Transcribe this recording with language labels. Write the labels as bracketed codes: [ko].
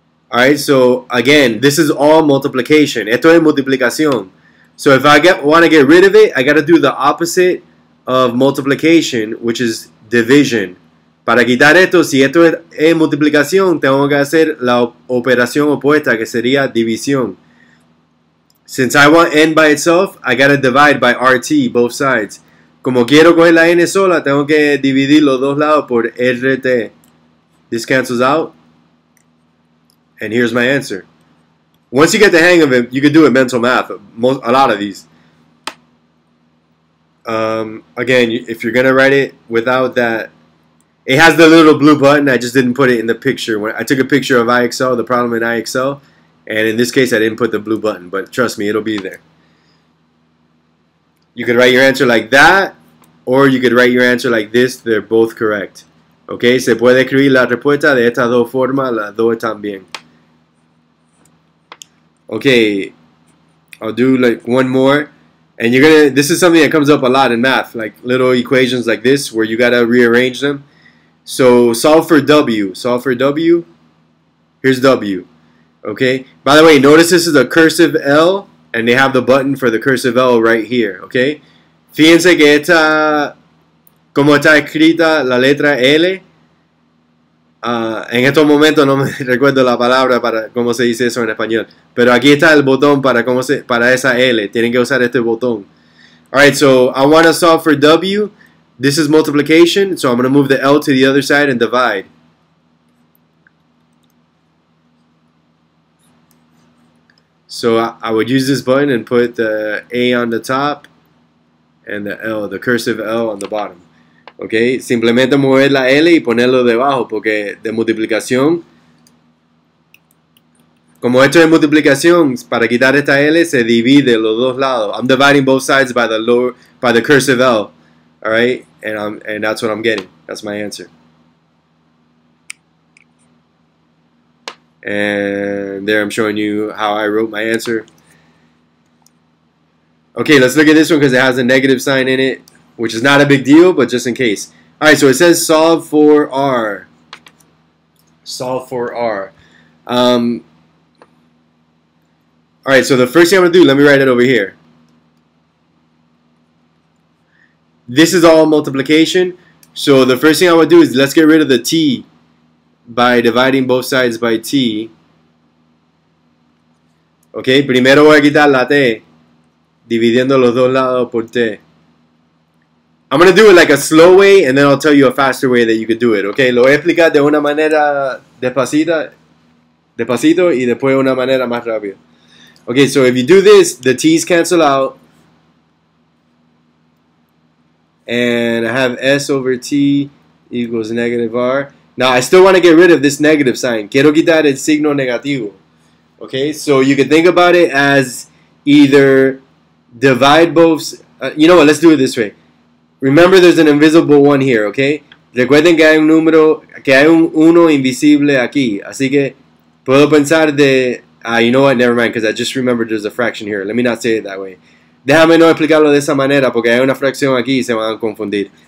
[en] All right, so again, this is all multiplication. [es] Esto es multiplicación. [en] So if I want to get rid of it, I gotta do the opposite of multiplication, which is division. [es] Para quitar esto, si esto es multiplicación, tengo que hacer la operación opuesta, que sería división. [en] Since I want n by itself, I gotta divide by rt, both sides. [es] Como quiero coger la n sola, tengo que dividir los dos lados por rt. [en] This cancels out. And here's my answer. Once you get the hang of it, you can do a mental math. A lot of these. Again, if you're gonna write it without that, it has the little blue button. I just didn't put it in the picture. When I took a picture of IXL, the problem in IXL. And in this case, I didn't put the blue button, but trust me, it'll be there. You could write your answer like that, or you could write your answer like this. They're both correct. [es] Okay, se puede escribir la respuesta de estas dos formas, las dos también. [en] Okay, I'll do like one more. And you're gonna, this is something that comes up a lot in math, like little equations like this, where you gotta rearrange them. So solve for W, solve for W. Here's W. Okay, by the way, notice this is a cursive L, and they have the button for the cursive L right here, okay? [es] Fíjense que esta, como está escrita la letra L, en estos momentos no me recuerdo la palabra para cómo se dice eso en español, pero aquí está el botón para, cómo se, para esa L, tienen que usar este botón. [en] Alright, so I want to solve for W, this is multiplication, so I'm going to move the L to the other side and divide. So I would use this button and put the A on the top and the L, the cursive L on the bottom. [es] Okay, simplemente mover la L y ponerlo debajo porque de multiplicación. Como esto es multiplicación, para quitar esta L se divide los dos lados. [en] I'm dividing both sides by the lower, by the cursive L. Alright, and that's what I'm getting. That's my answer. And there I'm showing you how I wrote my answer. Okay, let's look at this one because it has a negative sign in it, which is not a big deal, but just in case. All right, so it says solve for R. Solve for R. All right, so the first thing I'm going to do, let me write it over here. This is all multiplication. So the first thing I would do is let's get rid of the T by dividing both sides by T. [es] Okay, primero voy a quitar la T, dividiendo los dos lados por T. [en] I'm going to do it like a slow way, and then I'll tell you a faster way that you could do it. [es] Okay, lo voy a explicar de una manera despacita, despacito, y después una manera más rápida. [en] Okay, so if you do this, the T's cancel out. And I have S over T equals negative R. Now, I still want to get rid of this negative sign. [es] Quiero quitar el signo negativo. [en] Okay, so you can think about it as either divide both. You know what, let's do it this way. Remember, there's an invisible one here, okay? [es] Recuerden que hay un número, que hay un uno invisible aquí. Así que puedo pensar de, [en] you know what, never mind, because I just remembered there's a fraction here. Let me not say it that way. [es] Déjame no explicarlo de esa manera, porque hay una fracción aquí y se van a confundir.